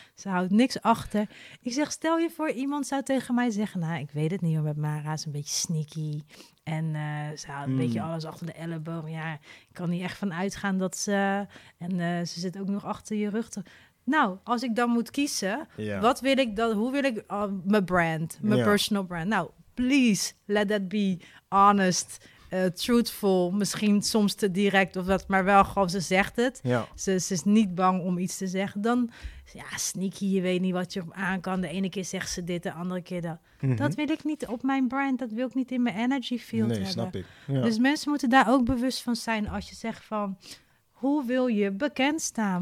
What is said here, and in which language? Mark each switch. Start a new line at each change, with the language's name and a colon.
Dutch: Ze houdt niks achter. Ik zeg, stel je voor, iemand zou tegen mij zeggen, nou, ik weet het niet, hoor, met Mara is een beetje sneaky. En ze houdt een beetje alles achter de elleboog. Ja, ik kan niet echt van uitgaan dat ze... En ze zit ook nog achter je rug. Nou, als ik dan moet kiezen, wat wil ik dan? Hoe wil ik mijn brand, mijn personal brand?
English: Nou, please, let that be honest, truthful.
Dutch: Misschien soms te direct of dat, maar wel gewoon, ze zegt het. Ja. Ze is niet bang om iets te zeggen. Dan, ja, sneaky, je weet niet wat je aan kan. De ene keer zegt ze dit, de andere keer dat. Mm-hmm. Dat wil ik niet op mijn brand, dat wil ik niet in mijn energy field hebben. Nee, snap ik. Ja. Dus mensen moeten daar ook bewust van zijn als je zegt van... Hoe wil je bekend staan?